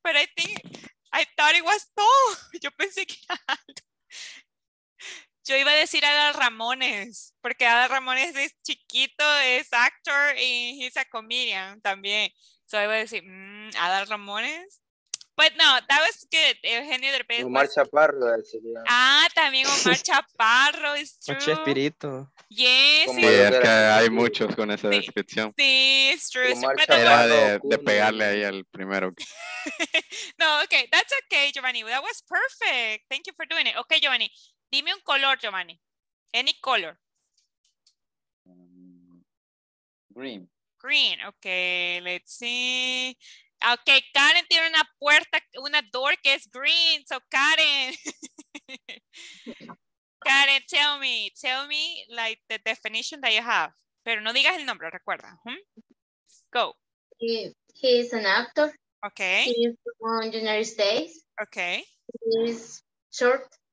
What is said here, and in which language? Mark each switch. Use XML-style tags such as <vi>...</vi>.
<en>But I think, I thought it was tall.</en> <es>Yo pensé que era alto. Yo iba a decir Adal Ramones, porque Adal Ramones es chiquito, es actor, y</es> <en>he's a comedian</en> <es>también.</es> <en>So I</en> <es>iba a decir,</es> <en>Adal Ramones. But no, that was good. Eugenio Derbez. Omar Chaparro.</en> <es>Ah, también Omar Chaparro. Es</es> <en>true.</en> <es>Mucho espíritu.</es> <en>Yes.</en> <es>Sí, es que hay muchos con esa descripción. Sí, es</es> <en>true.</en> <es>Omar Chaparro. Era de pegarle ahí al primero.</es> <en>No, okay. That's okay, Giovanni. That was perfect. Thank you for doing it. Okay, Giovanni.</en> <es>Dime un color, Giovanni.</es> <en>Any color. Green. Green. Okay, let's see.</en> <es>Okay, Karen tiene una puerta, una</es> <en>door</en> <es>que es</es> <en>green. So, Karen. Karen, tell me like the definition that you have.</en> <es>Pero no digas el nombre, recuerda. Hmm?</es> <en>Go. He is an actor. Okay. He is from the United States. Okay. He is short.</en>